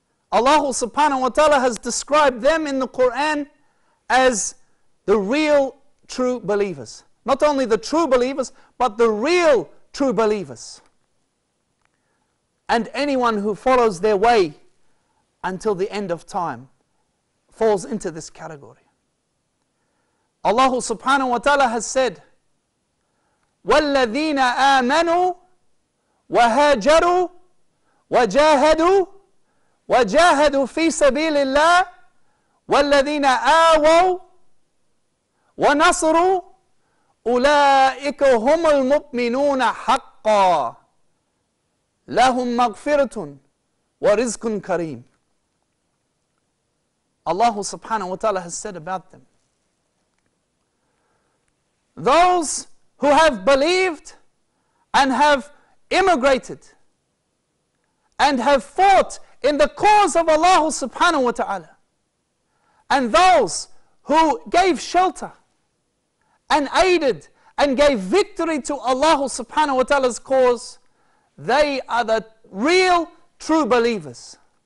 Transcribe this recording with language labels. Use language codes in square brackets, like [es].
[en] Allah subhanahu wa ta'ala has described them in the Quran as the real true believers. Not only the true believers, but the real true believers. And anyone who follows their way until the end of time falls into this category. Allah subhanahu wa ta'ala has said, [ar] وَالَّذِينَ آمَنُوا وَهَاجَرُوا وَجَاهَدُوا وَجَاهَدُوا فِي سَبِيلِ اللَّهِ وَالَّذِينَ آوَوْا وَنَصْرُوا أُولَٰئِكَ هُمُ الْمُؤْمِنُونَ حَقًّا لَهُمْ مَغْفِرَةٌ وَرِزْقٌ كَرِيمٌ. [en] Allah subhanahu wa ta'ala has said about them, those who have believed and have immigrated and have fought in the cause of Allah subhanahu wa ta'ala, and those who gave shelter and aided and gave victory to Allah subhanahu wa ta'ala's cause, they are the real true believers.